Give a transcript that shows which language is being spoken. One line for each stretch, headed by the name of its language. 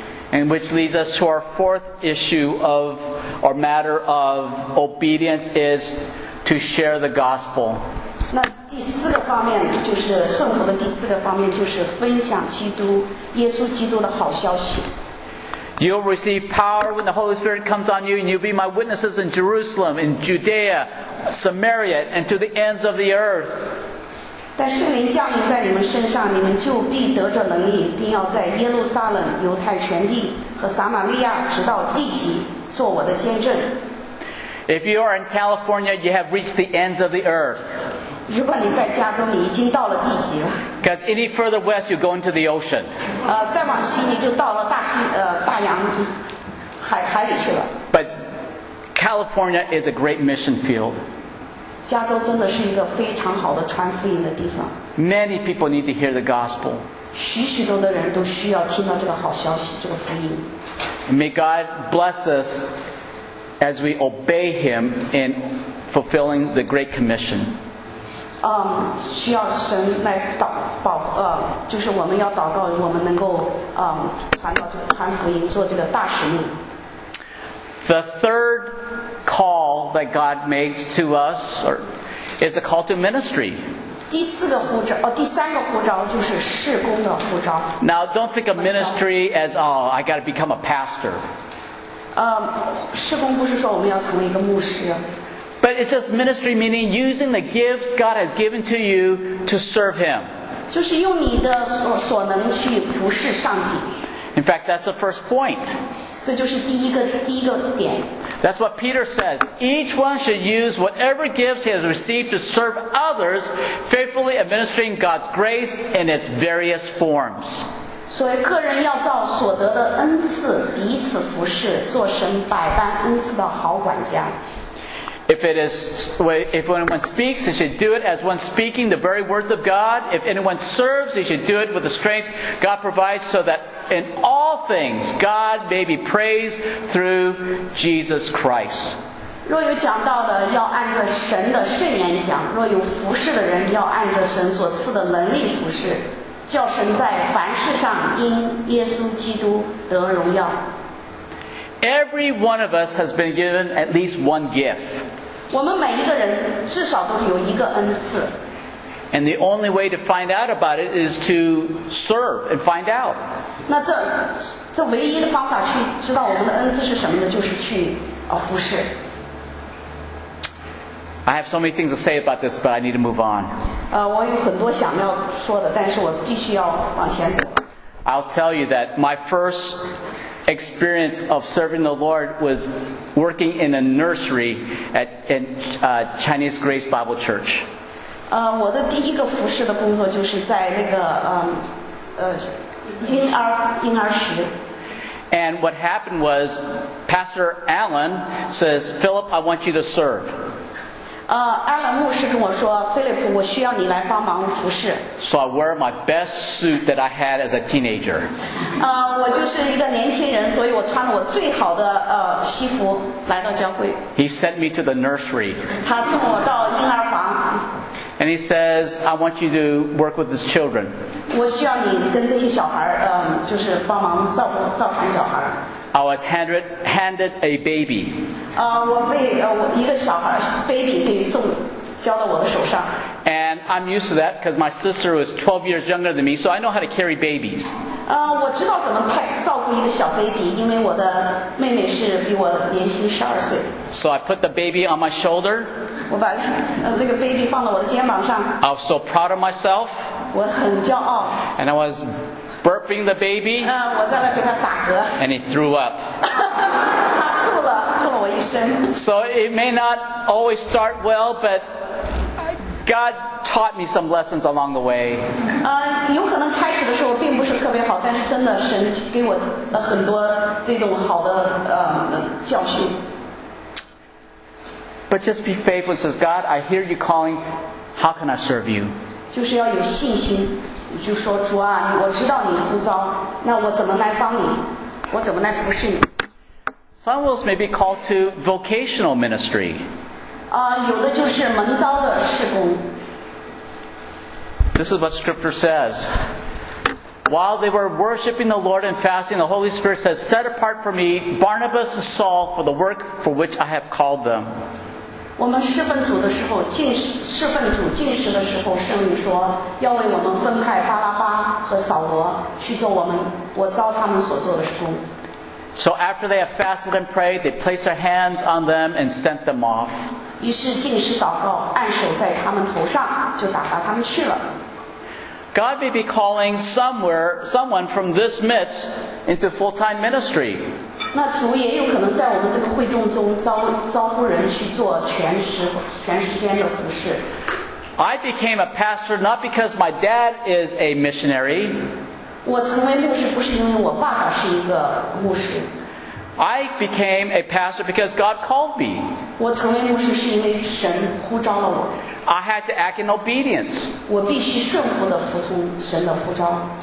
English: And which leads us to our fourth issue of or matter of obedience is to share the gospel.
Chinese: 那第四个方面就是顺服的第四个方面就是分享基督，耶稣基督的好消息。
English: You'll receive power when the Holy Spirit comes on you, and you'll be my witnesses in Jerusalem, in Judea, Samaria, and to the ends of the earth.
Chinese: 但圣灵降临在你们身上，你们就必得着能力，并要在耶路撒冷、犹太全地和撒玛利亚，直到地极，做我的见证。
English: If you are in California, you have reached the ends of the earth. Because any further west, you go into the ocean.
Chinese: 再往西你就到了大西大洋海海里去了。
English: But California is a great mission field.
Chinese: 加州真的是一个非常好的传福音的地方。
English: Many people need to hear the gospel.
Chinese: 许许多的人都需要听到这个好消息，这个福音。
English: May God bless us as we obey Him in fulfilling the Great Commission.
Chinese: 需要神来祷告，就是我们要祷告，我们能够传到这个传福音，做这个大使命。
English: The third call that God makes to us is a call to ministry.
Chinese: 第四个呼召，第三个呼召就是事工的呼召。
English: Now, don't think of ministry as, oh, I got to become a pastor.
Chinese: 事工不是说我们要成为一个牧师。
English: But it's just ministry, meaning using the gifts God has given to you to serve Him.
Chinese: 就是用你的所能去服侍上帝。
English: In fact, that's the first point.
Chinese: 这就是第一个点。
English: That's what Peter says. Each one should use whatever gifts he has received to serve others, faithfully administering God's grace in its various forms.
Chinese: 所以个人要照所得的恩赐彼此服侍，做神百般恩赐的好管家。
English: If anyone speaks, he should do it as one speaking the very words of God. If anyone serves, he should do it with the strength God provides, so that in all things God may be praised through Jesus Christ.
Chinese: 若有讲道的，要按着神的圣言讲；若有服侍的人，要按着神所赐的能力服侍，叫神在凡事上因耶稣基督得荣耀。
English: Every one of us has been given at least one gift.
Chinese: 我们每一个人至少都有一个恩赐。
English: And the only way to find out about it is to serve and find out.
Chinese: 那这唯一的方法去知道我们的恩赐是什么呢？就是去服侍。
English: I have so many things to say about this, but I need to move on.
Chinese: 我有很多想要说的，但是我必须要往前走。
English: I'll tell you that my first experience of serving the Lord was working in a nursery at Chinese Grace Bible Church.
Chinese: 我的第一个服侍的工作就是在那个婴儿室。
English: And what happened was, Pastor Alan says, "Philip, I want you to serve."
Chinese: Alan 牧师跟我说 ，Philip， 我需要你来帮忙服侍。
English: So I wear my best suit that I had as a teenager.
Chinese: 我就是一个年轻人，所以我穿了我最好的西服来到教会。
English: He sent me to the nursery.
Chinese: 他送我到婴儿房。
English: And he says, "I want you to work with these children."
Chinese: 我需要你跟这些小孩就是帮忙照看小孩。
English: I was handed a baby.
Chinese: 我被一个小孩 baby 给送交到我的手上。
English: And I'm used to that because my sister was 12 years younger than me, so I know how to carry babies.
Chinese: 我知道怎么照顾一个小 baby， 因为我的妹妹是比我年轻12岁。
English: So I put the baby on my shoulder.
Chinese: 我把那个 baby 放到我的肩膀上。
English: I was so proud of myself.
Chinese: 我很骄傲。
English: And I was burping the baby,
Chinese: 我在那给他打嗝。
English: And he threw up.
Chinese: 他吐了我一身。
English: So it may not always start well, but God taught me some lessons along the way.
Chinese: 有可能开始的时候并不是特别好，但是真的神给我很多这种好的教训。
English: But just be faithful, says God. I hear you calling. How can I serve you?
Chinese: 就是要有信心。就说主啊，我知道你的呼召，那我怎么来帮你？我怎么来服侍你
English: ？Some will maybe call to vocational ministry.
Chinese: 有的就是蒙召的事工。
English: This is what Scripture says. While they were worshiping the Lord and fasting, the Holy Spirit says, "Set apart for me Barnabas and Saul for the work for which I have called them."
Chinese: 我们侍奉主的时候，侍奉主进食的时候，圣灵说要为我们分派巴拉巴和扫罗去做我召他们所做的事工。
English: So after they have fasted and prayed, they placed their hands on them and sent them off.
Chinese: 于是进食祷告，按手在他们头上，就打发他们去了。
English: God may be calling someone from this midst into full-time ministry.
Chinese: 那主也有可能在我们这个会众中 招呼人去做全时间的服事。
English: I became a pastor not because my dad is a missionary.
Chinese: 我成为牧师不是因为我爸爸是一个牧师。
English: I became a pastor because God called me.
Chinese: 我成为牧师是因为神呼召了我。
English: I had to act in obedience.
Chinese: 我必须顺服地服从神的呼召。